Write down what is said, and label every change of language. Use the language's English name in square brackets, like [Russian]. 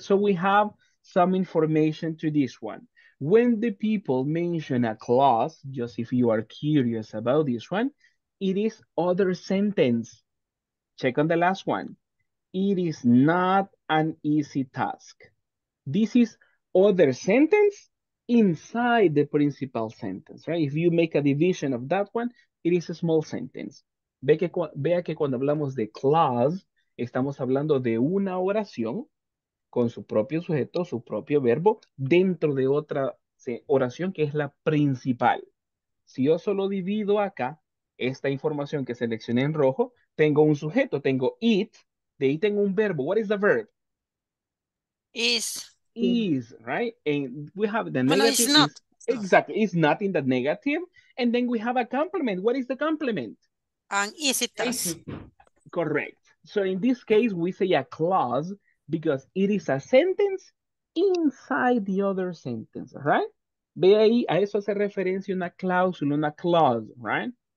[English] So we have some information to this one. When the people mention a clause, just if you are curious about this one, it is other sentence. Check on the last one. It is not an easy task. This is other sentence inside the principal sentence, right? If you make a division of that one, it is a small sentence. [Spanish] Vea que cuando hablamos de clause, estamos hablando de una oración con su propio sujeto, su propio verbo, dentro de otra oración que es la principal. Si yo solo divido acá esta información que seleccioné en rojo, tengo un sujeto, tengo it, de ahí tengo un verbo. [English] What is the verb? Is. Is, right? And we have the negative. Well, it's not. Exactly, it's not in the negative. And then we have a complement. What is the complement? An easy task. Correct. So in this case, we say a clause because it is a sentence inside the other sentence, right? [Spanish] Ve ahí, a eso hace referencia una cláusula, una clause, right?